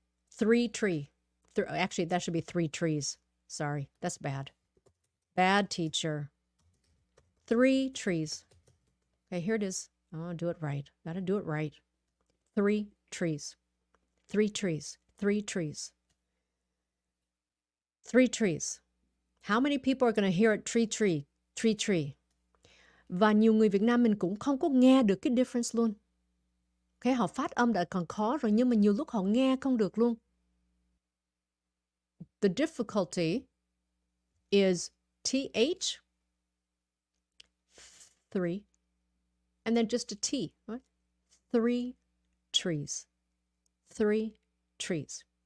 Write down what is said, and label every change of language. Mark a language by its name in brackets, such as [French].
[English] Three tree. Actually, that should be three trees. Sorry, that's bad. Bad teacher. Three trees. Okay, here it is. Oh, do it right. Gotta do it right. Three trees. Three trees. Three trees. Three trees. How many people are going to hear it? Tree, tree. Tree, tree. [Vietnamese] Và nhiều người Việt Nam mình cũng không có nghe được cái difference luôn. Okay, họ phát âm đã còn khó rồi nhưng mà nhiều lúc họ nghe không được luôn. [English] The difficulty is TH, three, and then just a T, right? Three trees, three trees.